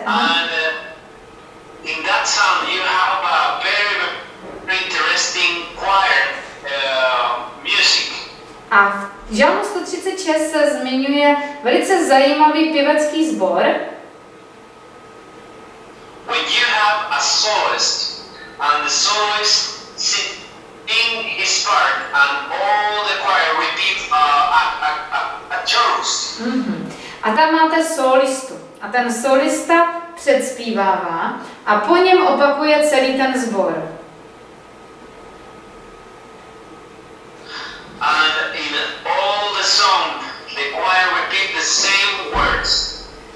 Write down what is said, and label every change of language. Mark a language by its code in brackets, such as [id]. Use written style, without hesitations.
[en] And in that psalm you have a very interesting choir music. [cs] A v žalmu 136 se zmiňuje velice zajímavý pěvecký sbor. [en] When you have a soloist and the soloist sing his part and all the choir repeat a chorus. [cs] A tam máte solistu. A ten solista předzpívává a po něm opakuje celý ten sbor. [en] And in all the song the choir repeat the same words.